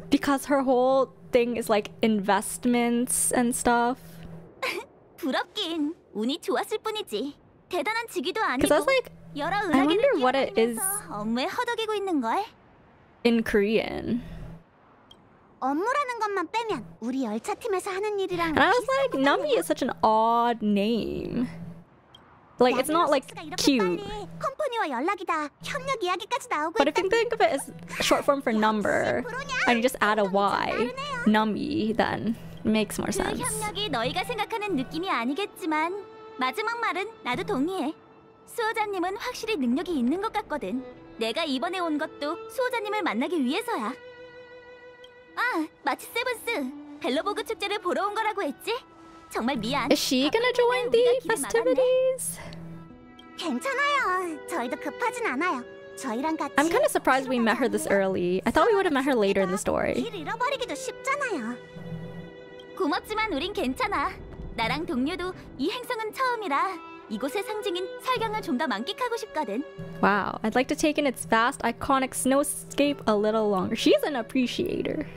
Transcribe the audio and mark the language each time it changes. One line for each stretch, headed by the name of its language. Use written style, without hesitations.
English: Because her whole thing is like investments and stuff.
Korean: 부럽긴 운이 좋았을 뿐이지 대단한 직위도 아니고
English: Cause I was like, I wonder what it is
Korean: 업무에 허덕이고 있는 걸
English: In Korean
Korean: 업무라는 것만 빼면 우리 열차 팀에서 하는 일이랑
English: And I was like, Numby is such an odd name Like, it's not like, cute
Korean: 컴퍼니와 연락이다 협력 이야기까지 나오고
English: But if you think of it as short form for number And you just add a Y Numby, then Makes more sense.
Korean: 그 협력이 너희가 생각하는 느낌이 아니겠지만 마지막 말은 나도 동의해. 수호자님은 확실히 능력이 있는 것 같거든. 내가 이번에 온 것도 수호자님을 만나기 위해서야. 아, 마치 세븐스. 벨로보그 축제를 보러 온 거라고 했지? 정말 미안.
English: Is she gonna join the festivities?
Korean: 괜찮아요. 저희도 급하진 않아요.
English: I'm kind of surprised we met her this early. I thought we would have met her later in the story.
Korean: 길 잃어버리기도 쉽잖아요. 고맙지만 우린 괜찮아. 나랑 동료도 이 행성은 처음이라 이곳의 상징인 설경을 좀 더 만끽하고 싶거든.
English: Wow, I'd like to take in its vast, iconic snowscape a little longer. She's an appreciator.